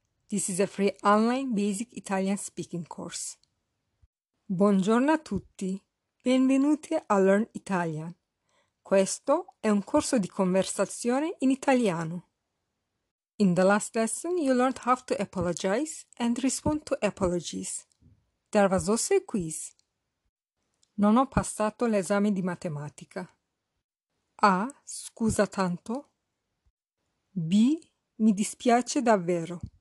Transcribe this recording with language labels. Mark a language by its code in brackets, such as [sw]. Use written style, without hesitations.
[en] This is a free online basic Italian speaking course. [it] Buongiorno a tutti, benvenuti a Learn Italian. Questo è un corso di conversazione in italiano. [en] In the last lesson you learned how to apologize and respond to apologies. There was also a quiz. [it] Non ho passato l'esame di matematica. A. Scusa tanto. B. Mi dispiace davvero.